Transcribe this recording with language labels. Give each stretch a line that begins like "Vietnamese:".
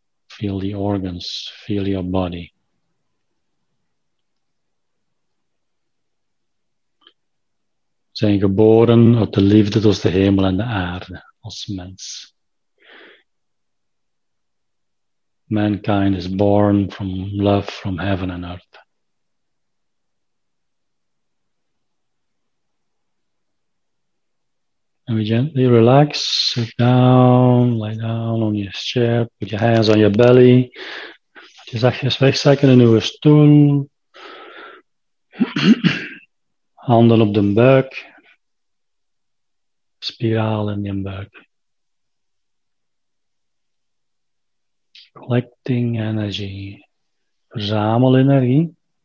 English: Feel the organs, feel your body.
Dutch: We zijn geboren uit de liefde tussen de hemel en de aarde, als mens.
English: Mankind is born from love from heaven and earth. And we gently relax, sit down, lie down on your chair, put your hands on your belly.
Dutch: Laat je zachtjes wegzakken in uw stoel. Handen op de buik. Spiraal in je buik.
English: Collecting energy.
Dutch: Verzamel energie.